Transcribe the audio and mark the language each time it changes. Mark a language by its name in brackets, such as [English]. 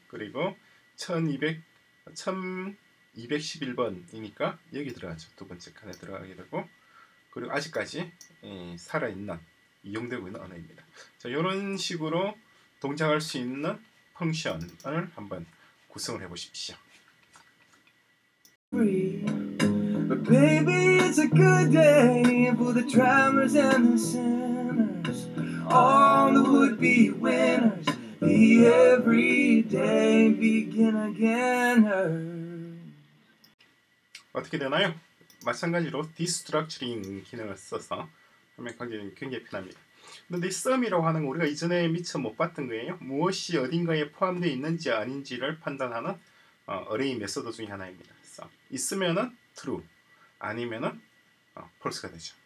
[Korean] 그리고 1211번이니까 여기 들어가죠. 두 번째 칸에 들어가게 되고, 그리고 아직까지 살아있는 이용되고 있는 언어입니다. 자, 이런 식으로 동작할 수 있는 펑션을 한번 구성을 해보십시오. [English] But baby, it's a good day for the travelers and the sinners, all the would-be winners. The everyday begin again. [Korean] 어떻게 되나요? 마찬가지로 destructuring 기능을 써서 하면 굉장히 편합니다. 근데 sum이라고 하는 건 우리가 이전에 미처 못 봤던 거예요. 무엇이 어딘가에 포함되어 있는지 아닌지를 판단하는 array 메서드 중에 하나입니다. 있으면은 true, 아니면은 false가 되죠.